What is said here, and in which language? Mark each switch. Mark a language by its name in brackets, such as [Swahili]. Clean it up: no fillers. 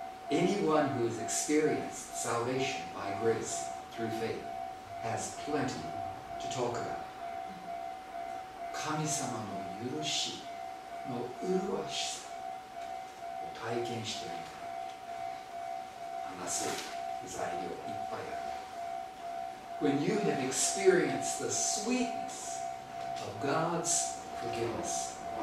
[English] Anyone who has experienced salvation by grace through faith has plenty to talk about. [Japanese] 神様の許しの麗しさを体験してみたい。話せる材料いっぱいある。 [English] When you have experienced the sweetness of God's forgiveness.